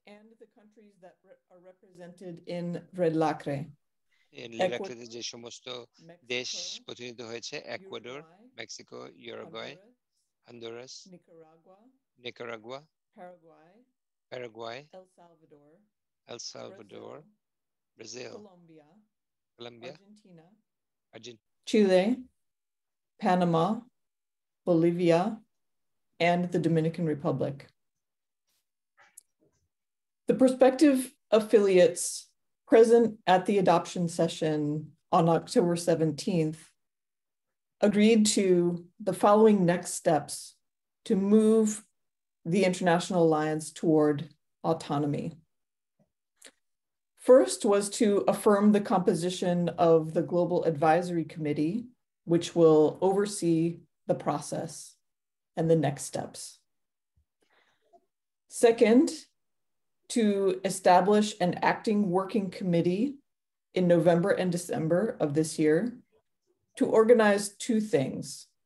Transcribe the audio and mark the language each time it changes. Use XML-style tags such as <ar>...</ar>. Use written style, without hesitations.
<en>and the countries that are represented in Red Lacre.</en> <bn>যে সমস্ত দেশ প্রতিনিধিত্ব হয়েছে একুয়াডোর Mexico ইউরুগুয়ে Honduras Nicaragua Paraguay El Salvador Brazil Colombia Argentina</bn> <en>Chile Panama Bolivia and the Dominican Republic the prospective affiliates present at the adoption session on October 17th, agreed to the following next steps to move the International Alliance toward autonomy. First was to affirm the composition of the Global Advisory Committee, which will oversee the process and the next steps. Second, to establish an acting working committee in November and December of this year to organize two things.</en>